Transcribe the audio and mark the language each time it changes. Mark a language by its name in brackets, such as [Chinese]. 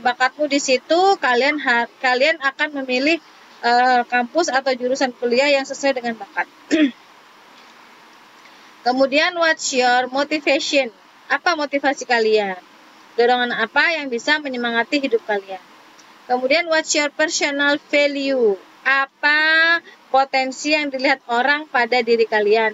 [Indonesian] Bakatmu di situ, kalian akan memilih kampus atau jurusan kuliah yang sesuai dengan bakat. Kemudian, [English] what's your motivation? [Indonesian] Apa motivasi kalian? Dorongan apa yang bisa menyemangati hidup kalian? Kemudian, [English] what's your personal value? [Indonesian] Apa potensi yang dilihat orang pada diri kalian?